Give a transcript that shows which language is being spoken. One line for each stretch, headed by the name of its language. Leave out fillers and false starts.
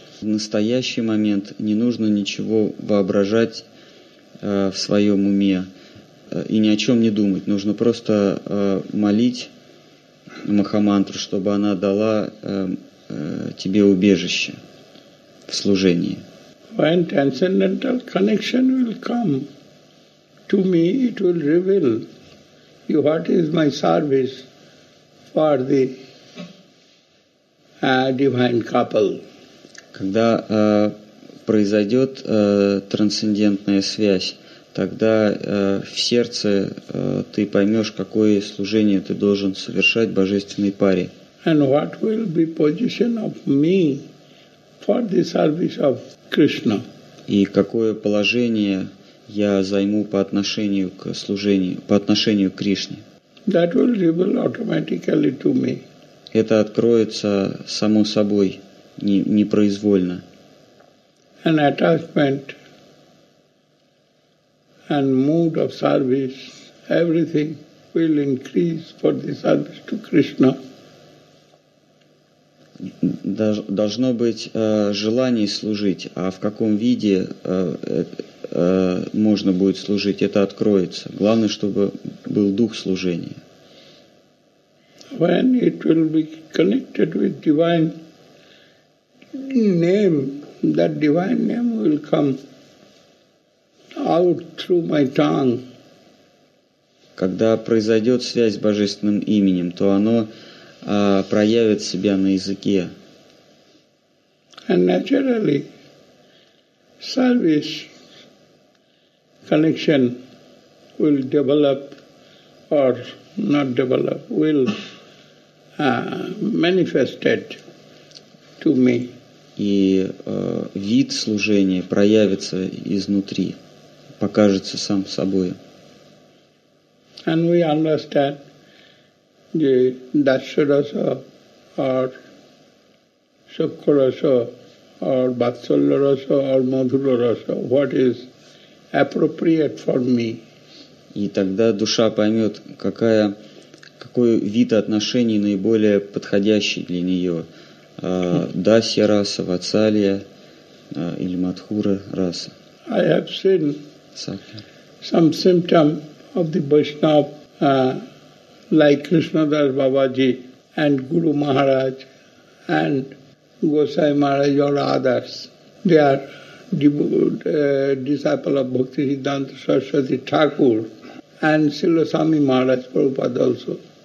Russian: В настоящий момент не нужно ничего воображать в своем уме. И ни о чем не думать. Нужно просто молить Махамантру, чтобы она дала тебе убежище в служении.
English: When transcendental connection will come to me, it will reveal you what is my service for the divine couple.
Russian: Когда произойдет трансцендентная связь, тогда в сердце ты поймешь, какое служение ты должен совершать божественной паре.
English: And what will be position of me for the service of Krishna?
Russian: И какое положение я займу по отношению к служению, по отношению к Кришне?
English: That will reveal automatically to me.
Russian: Это откроется само собой, непроизвольно.
English: An attachment and mood of service, everything will increase for the service to Krishna.
Russian: Должно быть желание служить, а в каком виде можно будет служить, это откроется. Главное, чтобы был дух служения.
English: When it will be connected with divine name, that divine name will come out through my tongue.
Russian: Когда произойдет связь с божественным именем, то оно проявит себя на языке.
English: And naturally, service connection will develop or not develop, will manifested to me.
Russian: И вид служения проявится изнутри. Покажется сам собой.
English: And we understand the Dasharasa or Sukhurasa or Vatsalarasa or Madhurarasa, what is appropriate for me.
Russian: И тогда душа поймет, какой вид отношений наиболее подходящий для нее. Дасья-раса, Вацалия или Мадхура-раса.
English: I have seen some symptom of the Vaishnava like Krishna Das Babaji and Guru Maharaj and Gosai Maharaj or others. They are disciple of Bhakti Siddhanta Saraswati Thakur and Srila Swami Maharaj Prabhupada also.